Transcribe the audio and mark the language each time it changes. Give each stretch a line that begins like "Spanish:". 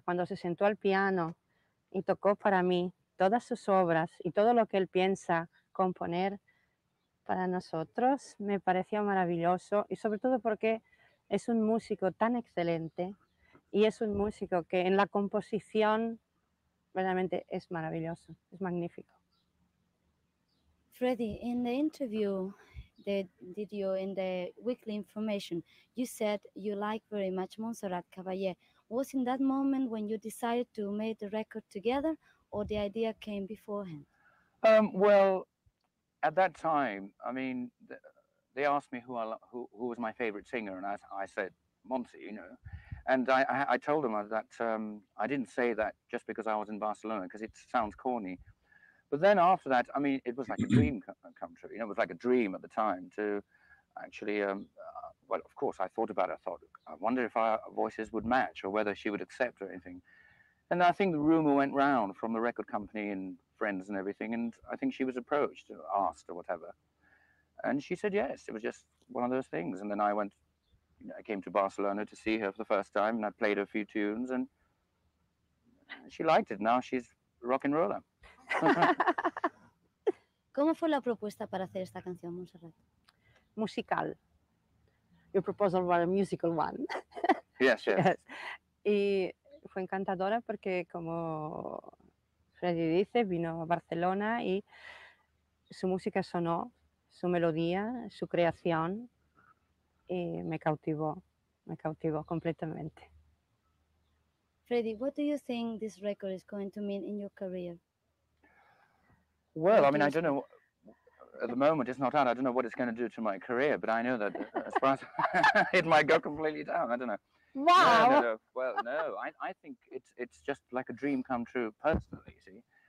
Spanish: Cuando se sentó al piano y tocó para mí todas sus obras y todo lo que él piensa componer para nosotros, me pareció maravilloso y sobre todo porque es un músico tan excelente y es un músico que en la composición realmente es maravilloso, es magnífico.
English: Freddie, in the interview that did you in the weekly information, you said you like very much Montserrat Caballe. Was in that moment when you decided to make the record together or the idea came beforehand? Well, at that time, I mean, they asked me who was my favorite singer, and I said Monty, you know. And I told them that I didn't say that just because I was in Barcelona, because it sounds corny. But then after that, I mean, it was like a dream come true. You know, it was like a dream at the time to actually, well, of course, I thought about it. I thought, I wonder if our voices would match or whether she would accept or anything. And I think the rumor went round from the record company and friends and everything. And I think she was approached or asked or whatever. And she said, yes, it was just one of those things. And then I went, you know, I came to Barcelona to see her for the first time and I played her a few tunes and she liked it. Now she's rock and roller.
Spanish: ¿Cómo fue la propuesta para hacer esta canción, Montserrat?
English: Musical. Your proposal was a musical one. Yes, yes, yes.
Spanish: Y fue encantadora porque, como Freddy dice, vino a Barcelona y su música sonó, su melodía, su creación, y me cautivó completamente.
English: Freddy, what do you think this record is going to mean in your career? Well, I mean, I don't know. At the moment, it's not out. I don't know what it's going to do to my career, but I know that as far as it might go completely down. I don't know. Wow. No, no, no. Well, no, I think it's just like a dream come true personally, you see.